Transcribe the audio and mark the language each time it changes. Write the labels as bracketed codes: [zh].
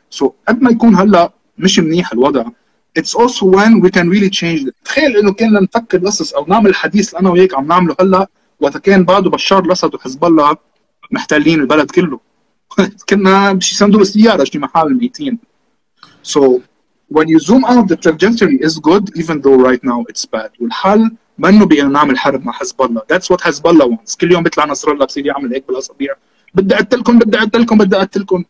[ar] So قد ما يكون هلا مش منيح الوضع. [en] It's also when we can really change. [ar] تخيل إنه كنا نفكر القصص أو نعمل حديث أنا وياك عم نعمله هلا وقت كان بعده بشار الأسد وحزب الله محتلين البلد كله. كنا بشي صندوق السيارة شي محال ميتين. [en] So when you zoom out, the trajectory is good even though right now it's bad. [ar] والحل ما انه بقينا نعمل حرب مع حزب الله. [en] That's what حزب الله wants. [ar] كل يوم بيطلع نصر الله بصير يعمل هيك بالاصابيع. بدي قتلكم بدي قتلكم بدي قتلكم.